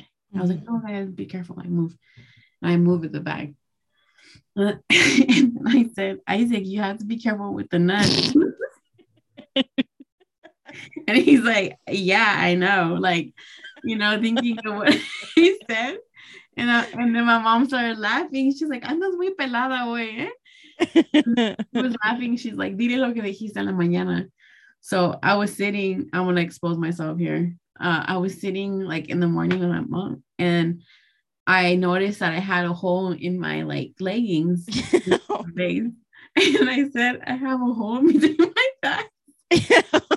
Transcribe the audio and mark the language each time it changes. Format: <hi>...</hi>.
<en>Mm-hmm. I was like, oh, I gotta be careful. I moved the bag. And I said, Isaac, you have to be careful with the nuts. And he's like, yeah, I know. Like, you know, thinking of what he said. And then my mom started laughing. She's like,</en> <es>andas muy pelada, güey.</es> <en>She was laughing.</en> <es>She's like, dile lo que dijiste en la mañana.</es> <en>So I was sitting, I want to expose myself here. I was sitting like in the morning with my mom, and I noticed that I had a hole in my like leggings. And I said, I have a hole in my thigh.</en>